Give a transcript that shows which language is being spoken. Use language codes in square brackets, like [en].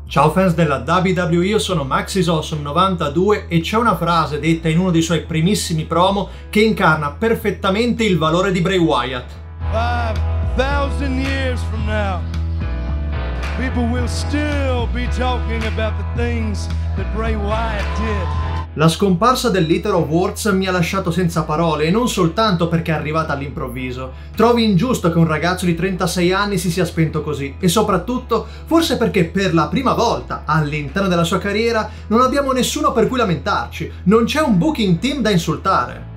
[it] Ciao fans della WWE, io sono Max Isawesome 92 e c'è una frase detta in uno dei suoi primissimi promo che incarna perfettamente il valore di Bray Wyatt. [en] 5,000 years from now, people will still be talking about the things that Bray Wyatt did. [it] La scomparsa del Leader of Words mi ha lasciato senza parole, e non soltanto perché è arrivata all'improvviso. Trovi ingiusto che un ragazzo di 36 anni si sia spento così, e soprattutto, forse perché per la prima volta all'interno della sua carriera non abbiamo nessuno per cui lamentarci, non c'è un booking team da insultare.